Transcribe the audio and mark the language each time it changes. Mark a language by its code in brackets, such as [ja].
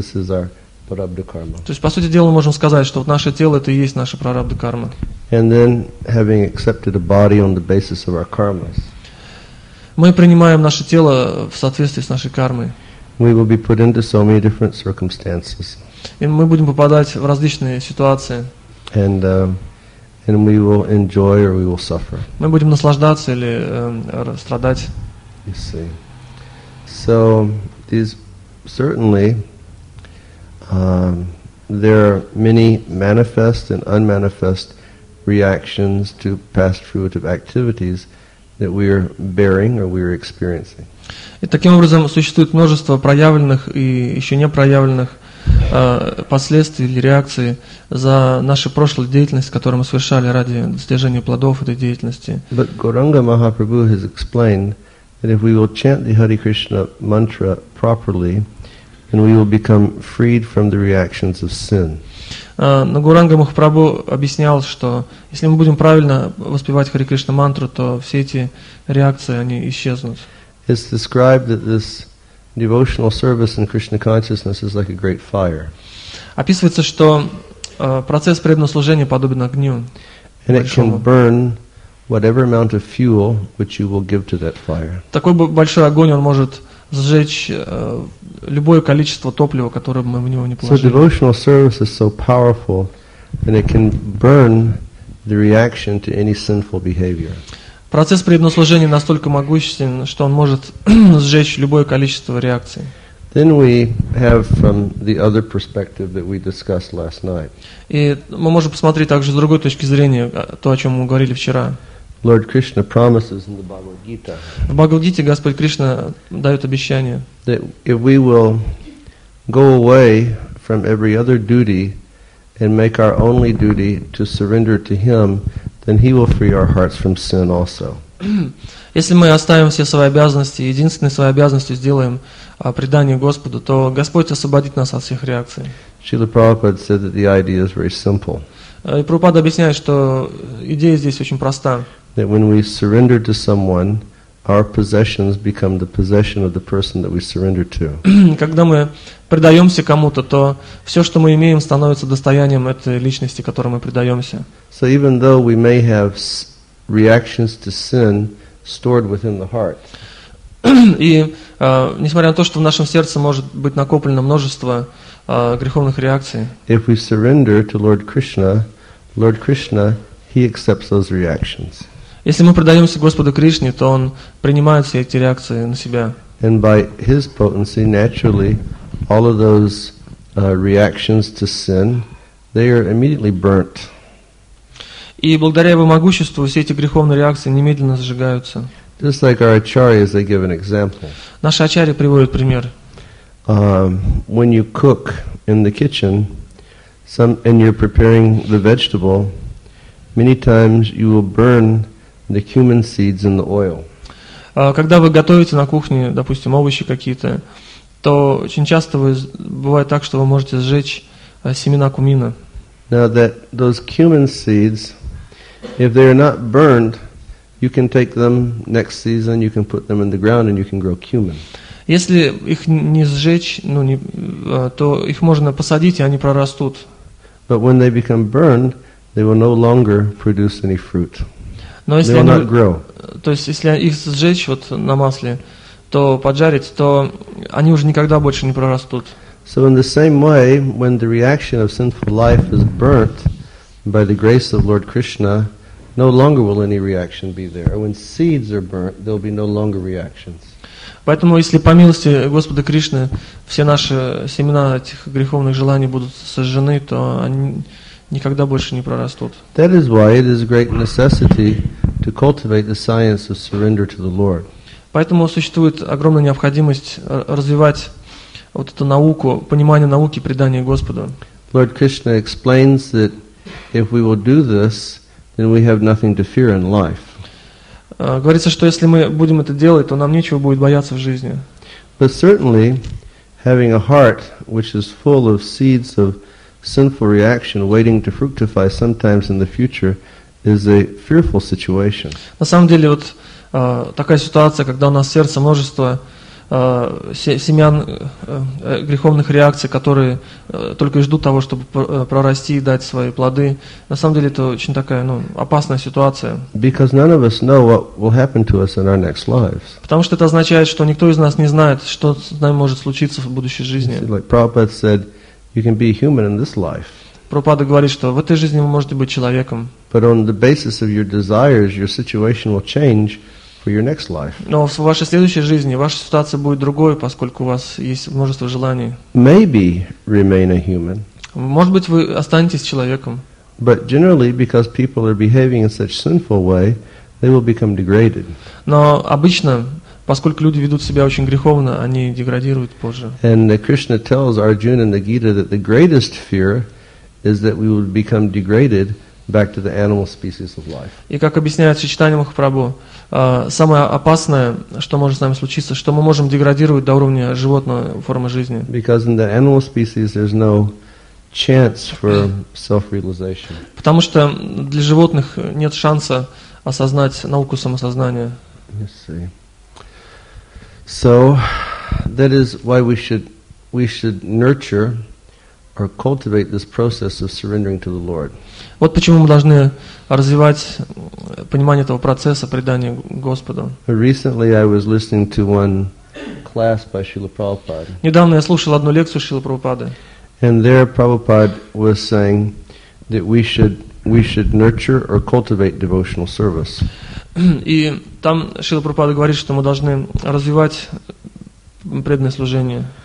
[ru] То есть, по сути дела, мы можем сказать, что вот наше тело – это и есть наша прарабдха карма. Мы принимаем наше тело в соответствии с нашей кармой. [en] We will be put into so many different circumstances. [ru] И мы будем попадать в различные ситуации. [en] And we will enjoy or we will suffer. [ru] Мы будем наслаждаться или страдать. [en] You see. So these certainly there are many manifest and unmanifest reactions to past fruitive activities that we are bearing or we are experiencing. [ru] И таким образом существует множество проявленных и еще не проявленных последствий или реакции за нашу прошлую деятельность, которую мы совершали ради достижения плодов этой деятельности. [en] But Gauranga Mahaprabhu has explained that if we will chant the Hare Krishna mantra properly, then we will become freed from the reactions of sin. [ru] Но Гуранга Махапрабху объяснял, что если мы будем правильно воспевать Хари Кришна мантру, то все эти реакции они исчезнут. [en] It's described that this devotional service in Krishna consciousness is like a great fire. [ru] Описывается, что процесс преданного служения подобен огню. [en] And it can burn whatever amount of fuel which you will give to that fire. [ru] Такой большой огонь он может зажечь любое количество топлива, которое мы в него не положили. [en] So devotional service is so powerful that it can burn the reaction to any sinful behavior. [ru] Процесс преданного служения настолько могущественен, что он может сжечь любое количество реакций. [en] Then we have from the other perspective that we discussed last night. [ru] И мы можем посмотреть также с другой точки зрения то, о чем мы говорили вчера. [en] Lord Krishna promises in the Bhagavad Gita. [ru] В Бхагавад Гите Господь Кришна дает обещание. [en] That if we will go away from every other duty and make our only duty to surrender to Him, then He will free our hearts from sin also. [ru] Если мы оставим все свои обязанности, единственной своей обязанностью сделаем предание Господу, то Господь освободит нас от всех реакций. [en] Srila Prabhupada said that the idea is very simple. [ru] И Прабхупада объясняет, что идея здесь очень проста. [en] That when we surrender to someone, our possessions become the possession of the person that we surrender to. [ru] Когда мы предаемся кому-то, то все, что мы имеем, становится достоянием этой личности, которой мы предаемся. [en] So even though we may have reactions to sin stored within the heart. [ru] И несмотря на то, что в нашем сердце может быть накоплено множество греховных реакций. [en] If we surrender to Lord Krishna, Lord Krishna, He accepts those reactions. [ru] Если мы предаемся Господу Кришне, то Он принимает все эти реакции на себя. [en] And by His potency, naturally, all of those reactions to sin, they are immediately burnt. [ru] И благодаря Его могуществу все эти греховные реакции немедленно зажигаются. [en] Just like our acharyas, they give an example. [ru] Наши ачарьи приводят пример. [en] When you cook in the kitchen, and you're preparing the vegetable, many times you will burn the cumin seeds in the oil. [ru] Когда вы готовите на кухне, допустим, овощи какие-то, то очень часто бывает так, что вы можете сжечь семена кумина. [en] Now that those cumin seeds, if they are not burned, you can take them next season, you can put them in the ground and you can grow cumin. [ru] Если их не сжечь, то их можно посадить, и они прорастут. [en] But when they become burned, they will no longer produce any fruit. [ru] Но если они, то есть если их сжечь вот на масле, то поджарить, то они уже никогда больше не прорастут. [en] So in the same way, when the reaction of sinful life is burnt by the grace of Lord Krishna, no longer will any reaction be there. When seeds are burnt, there will be no longer reactions. [ru] Поэтому, если по милости Господа Кришны все наши семена этих греховных желаний будут сожжены, то они никогда больше не прорастут. [en] That is why it is a great necessity to cultivate the science of surrender to the Lord. [ru] Поэтому существует огромная необходимость развивать вот эту науку, понимание науки предания Господу. [en] Lord Krishna explains that if we will do this, then we have nothing to fear in life. [ru] Говорится, что если мы будем это делать, то нам нечего будет бояться в жизни. [en] But certainly, having a heart which is full of seeds of sinful reaction waiting to fructify sometimes in the future is a fearful situation. [ru] На самом деле, вот такая ситуация, когда у нас в сердце множество семян греховных реакций, которые только и ждут того, чтобы прорасти и дать свои плоды. На самом деле это очень такая, ну, опасная ситуация. [en] Because none of us know what will happen to us in our next lives. [ru] Потому что это означает, что никто из нас не знает, что с нами может случиться в будущей жизни. [en] Like Prabhupada said, you can be human in this life. [ru] Прабхупада говорит, что в этой жизни вы можете быть человеком. [en] But on the basis of your desires, your situation will change. For your next life. [ru] Но в вашей следующей жизни ваша ситуация будет другой, поскольку у вас есть множество желаний. [en] Maybe remain a human. [ru] Может быть, вы останетесь человеком. [en] But generally, because people are behaving in such sinful way, they will become degraded. [ru] Но обычно, поскольку люди ведут себя очень греховно, они деградируют позже. [en] And Krishna tells Arjuna in the Gita that the greatest fear is that we will become degraded back to the animal species of life. [ru] И как объясняет Шичтани Махапрабху, самое опасное, что может с нами случиться, что мы можем деградировать до уровня животного формы жизни. [en] Because in the animal species there's no chance for self-realization. [ru] Потому что для животных нет шанса осознать науку самосознания. [en] Let's see. So that is why we should nurture or cultivate this process of surrendering to the Lord. [ru] Вот почему мы должны развивать понимание этого процесса предания Господу. [en] Recently I was listening to one class by Srila Prabhupada. [ru] Недавно я слушал одну лекцию Шрилы Прабхупады. [en] And there Prabhupada was saying that we should nurture or cultivate devotional service. [ru] И там Шрила Прабхупада говорит, что мы должны развивать преданное служение.